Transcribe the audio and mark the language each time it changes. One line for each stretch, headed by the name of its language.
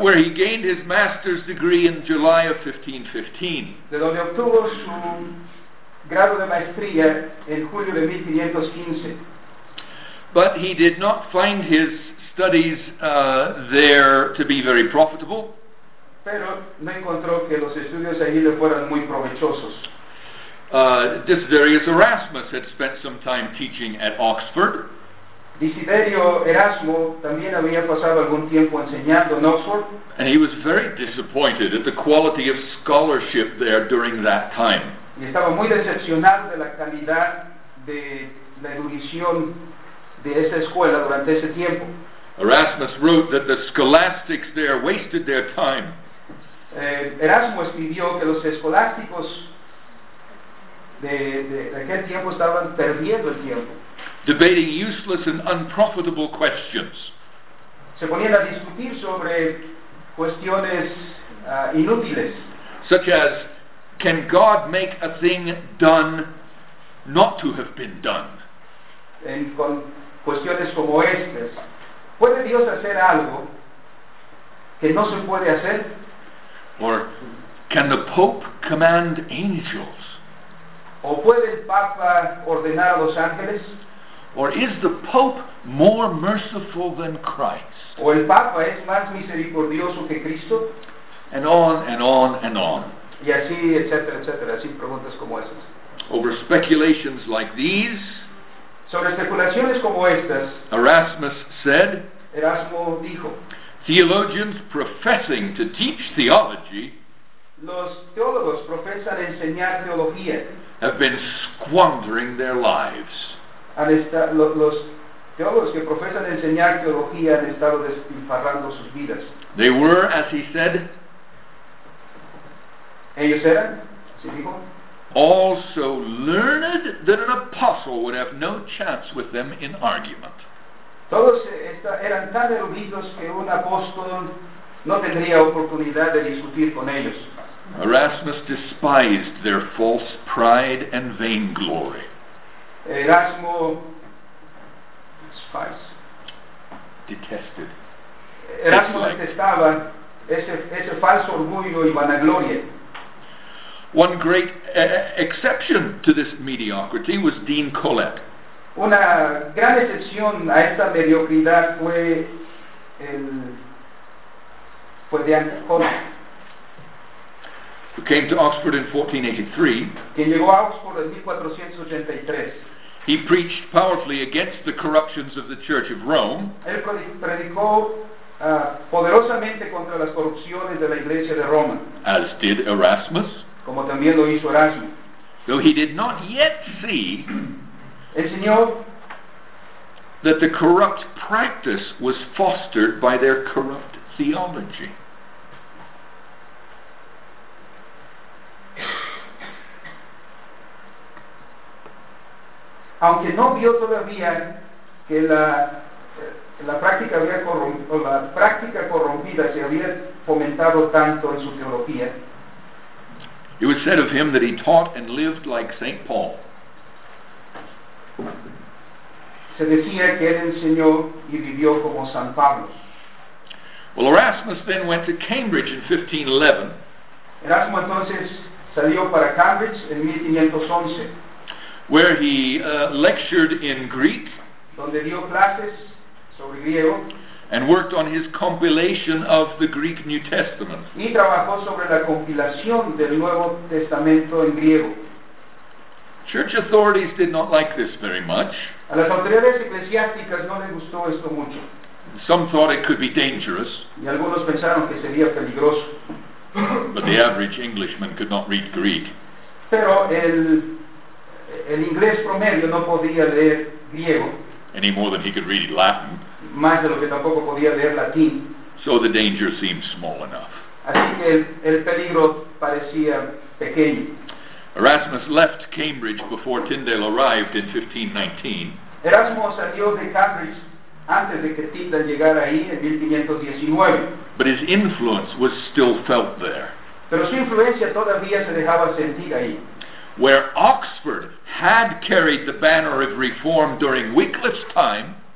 English: Where he gained his master's degree in July of 1515.
Spanish: De donde obtuvo su grado de maestría en julio de 1515.
English: But he did not find his studies there to be very profitable.
Spanish: Pero no encontró que los estudios allí le fueran muy provechosos.
English: Desiderius Erasmus had spent some time teaching at Oxford.
Spanish: Desiderio Erasmo también había pasado algún tiempo enseñando en Oxford.
English: And he was very disappointed at the quality of scholarship there during that time.
Spanish: Y estaba muy decepcionado de la calidad de la erudición de esa escuela durante ese tiempo.
English: Erasmus wrote that the scholastics there wasted their time.
Spanish: Erasmo escribió que los escolásticos de aquel tiempo estaban perdiendo el tiempo.
English: Debating useless and unprofitable questions.
Spanish: Se ponían a discutir sobre cuestiones inútiles.
English: Such as, can God make a thing done not to have been done?
Spanish: Con cuestiones como estas. ¿Puede Dios hacer algo que no se puede hacer?
English: Or, can the Pope command angels?
Spanish: ¿O puede el Papa ordenar a los ángeles?
English: Or is the Pope more merciful than Christ?
Spanish: ¿O el Papa es más misericordioso que Cristo?
English: And on and on and on.
Spanish: Y así, etcétera, etcétera, así preguntas como esas.
English: Over speculations like these,
Spanish: sobre especulaciones como estas,
English: Erasmus said,
Spanish: Erasmo dijo,
English: theologians professing to teach theology,
Spanish: los teólogos profesan enseñar teología,
English: have been squandering their lives.
Spanish: Los teólogos que profesan enseñar teología han estado despilfarrando sus vidas.
English: They were, as he said,
Spanish: ellos eran, se dijo,
English: all so learned that an apostle would have no chance with them in argument.
Spanish: Todos eran tan eruditos que un apóstol no tendría oportunidad de discutir con ellos.
English: Erasmus despised their false pride and vainglory.
Spanish: Erasmo
English: detested.
Spanish: Erasmo detestaba ese falso orgullo y vanagloria.
English: One great exception to this mediocrity was Dean Colet.
Spanish: Una gran excepción a esta mediocridad fue de Colet.
English: Who came to Oxford in 1483?
Spanish: Quien llegó a Oxford en 1483.
English: He preached powerfully against the corruptions of the Church of Rome.
Spanish: Él predicó poderosamente contra las corrupciones de la Iglesia de Roma.
English: As did Erasmus.
Spanish: Como también lo hizo Erasmo.
English: Though he did not yet see
Spanish: el Señor
English: that the corrupt practice was fostered by their corrupt theology.
Spanish: Aunque no vio todavía que la práctica corrompida se había fomentado tanto en su teología.
English: It was said of him that he taught and lived like Saint Paul.
Spanish: Se decía que él enseñó y vivió como San Pablo.
English: Well, Erasmus then went to Cambridge in 1511.
Spanish: Erasmo entonces salió para Cambridge en 1511.
English: Where he lectured in Greek,
Spanish: donde dio clases sobre griego,
English: and worked on his compilation of the Greek New Testament.
Spanish: Y trabajó sobre la compilación del Nuevo Testamento en griego.
English: Church authorities did not like this very much.
Spanish: A las autoridades eclesiásticas no les gustó esto mucho.
English: Some thought it could be dangerous.
Spanish: Y algunos pensaron que sería peligroso.
English: But the average Englishman could not read Greek.
Spanish: Pero el inglés promedio no podía leer griego.
English: Any more than he could read Latin.
Spanish: Más de lo que tampoco podía leer latín.
English: So the danger seemed small enough.
Spanish: Así que el peligro parecía pequeño.
English: Erasmus left Cambridge before Tyndale arrived in 1519.
Spanish: Erasmo salió de Cambridge antes de que Tyndale llegara ahí en 1519.
English: But his influence was still felt there.
Spanish: Pero su influencia todavía se dejaba sentir ahí.
English: Where Oxford had carried the banner of reform during Wycliffe's time,